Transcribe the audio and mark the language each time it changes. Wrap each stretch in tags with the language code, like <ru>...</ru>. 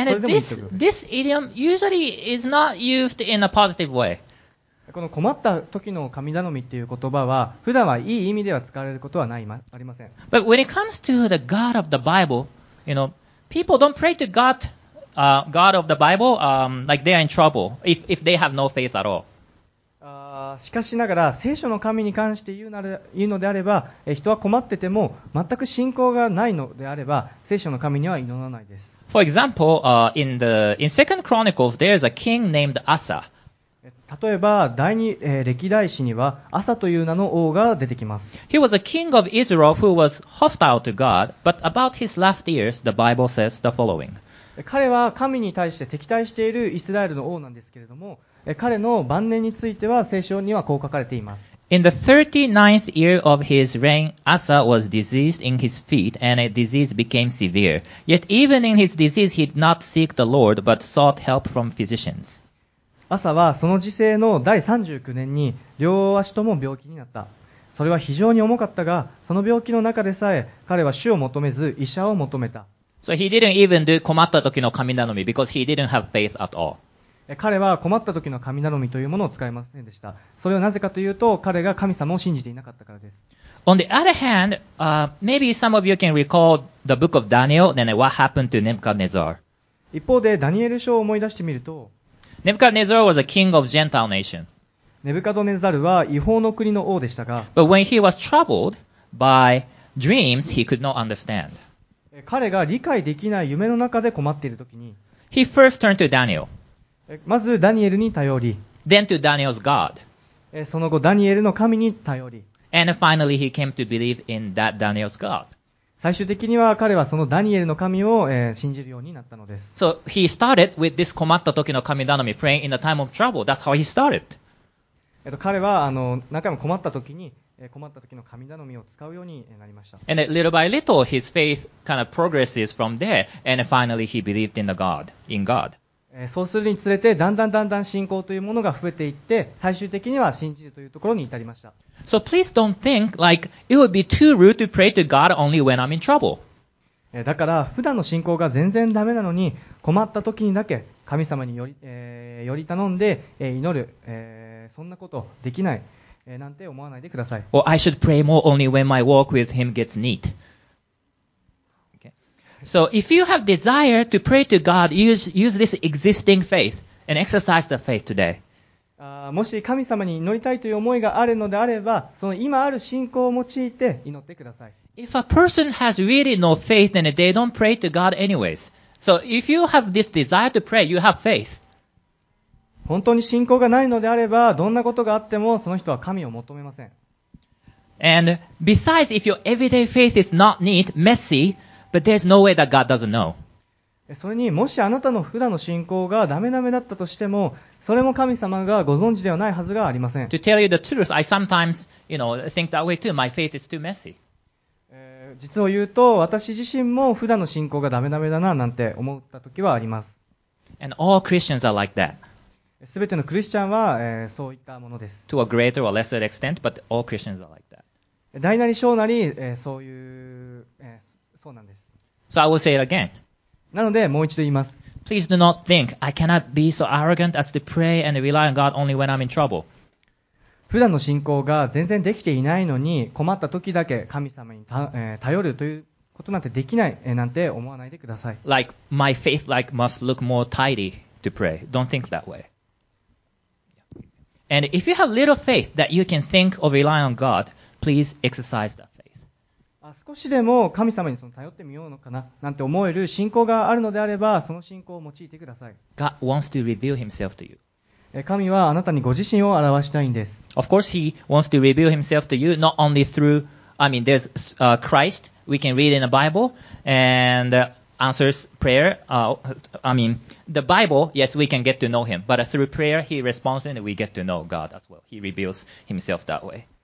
<en>And this idiom usually is not used in a positive way.</en> <ja>この困った時の神頼みっていう言葉は普段はいい意味では使われることはない、ありません。</ja> <en>But when it comes to the God of the Bible, you know, people don't pray to God, God of the Bible, like they are in trouble if they have no faith at all.</en> <ja>しかしながら聖書の神に関して言うのであれば、人は困ってても全く信仰がないのであれば、聖書の神には祈らないです。</ja> <en>For example, in 2 Chronicles, there's a king named Asa.</en> <ja>例えば第二、歴代史にはアサという名の王が出てきます。</ja> <en>He was a king of Israel who was hostile to God, but about his last years, the Bible says the following.</en> <ja>彼は神に対して敵対しているイスラエルの王なんですけれども、彼の晩年については聖書にはこう書かれています。</ja> <en>In the 39th year of his reign, Asa was diseased in his feet, and a disease became severe. Yet even in his disease, he did not seek the Lord, but sought help from physicians.</en> <ja>アサはその時世の第39年に両足とも病気になった。それは非常に重かったが、その病気の中でさえ彼は主を求めず医者を求めた。</ja> <en>So he didn't even do</en> <ja>困った時の神頼み</ja> <en>because he didn't have faith at all.</en> <ja>彼は困った時の神頼みというものを使いませんでした。それはなぜかというと、彼が神様を信じていなかったからです。</ja> <en>On the other hand, maybe some of you can recall the book of Daniel and what happened to Nebuchadnezzar.</en> <ja>一方で、ダニエル書を思い出してみると、</ja> <en>Nebuchadnezzar was a king of Gentile nation.</en> <ja>ネブカドネザルは異邦の国の王でしたが、</ja> <en>But when he was troubled by dreams, he could not understand.</en> <ja>彼が理解できない夢の中で困っているときに、</ja> <en>He first turned to Daniel.</en> <ja>まずダニエルに頼り、</ja> <en>Then to Daniel's God.</en> <ja>その後ダニエルの神に頼り、</ja> <en>And finally he came to believe in that Daniel's God.</en> <ja>最終的には彼はそのダニエルの神を信じるようになったのです。</ja> <en>So he started with this</en> <ja>困った時の神頼み</ja> <en>praying in the time of trouble. That's how he started.</en> <ja>彼は何回も困った時に困った時の神頼みを使うようになりました。</ja> <en>And little by little his faith kind of progresses from there, and finally he believed in God.</en> <ja>そうするにつれて、だんだん信仰というものが増えていって、最終的には信じるというところに至りました。</ja> <en>So please don't think like it would be too rude to pray to God only when I'm in trouble.</en> <ja>だから、普段の信仰が全然ダメなのに、困った時にだけ神様により頼んで祈る、そんなことできない、なんて思わないでください。</ja> <en>Or I should pray more only when my walk with him gets neat. So if you have desire to pray to God, use this existing faith and exercise the faith today.</en> <ja>もし神様に祈りたいという思いがあるのであれば、その今ある信仰を用いて祈ってください。</ja> <en>If a person has really no faith, then they don't pray to God anyways. So if you have this desire to pray, you have faith.</en> <ja>本当に信仰がないのであれば、どんなことがあってもその人は神を求めません。</ja> <en>And besides, if your everyday faith is not neat, messy,But there's no way that God doesn't know.</en> <ja>それにもしあなたの普段の信仰がダメダメだったとしても、それも神様がご存知ではないはずがありません。</ja> <en>To tell you the truth, I sometimes, you know, think that way too. My faith is too messy.</en> <ja>実を言うと、私自身も普段の信仰がダメダメだななんて思った時はあります。</ja> <en>And all Christians are like that.</en> <ja>すべてのクリスチャンは、そういったものです。</ja> <en>To a greater or lesser extent, but all Christians are like that.</en> <ja>大なり小なり、そういう、そうなんです。</ja> <en>So I will say it again.</en> <ja>なのでもう一度言います。</ja> <en>Please do not think I cannot be so arrogant as to pray and rely on God only when I'm in trouble.</en> <ja>普段の信仰が全然できていないのに、困った時だけ神様に頼るということなんてできないなんて思わないでください。</ja> <en>Like my faith like must look more tidy to pray. Don't think that way. And if you have little faith that you can think of relying on God, please exercise that faith.</en> <ja>少しでも神様に頼ってみようのかななんて思える信仰があるのであれば、その信仰を用いてください。</ja> <en>God wants to reveal himself to you.</en> <ja>神はあなたにご自身を表したいんです。</ja> <en>Of course, he wants to reveal himself to you not only through, I mean, there's Christ we can read in the Bible and answers prayer. I mean, the Bible, yes, we can get to know him. But through prayer, he responds and we get to know God as well. He reveals himself that way.</en>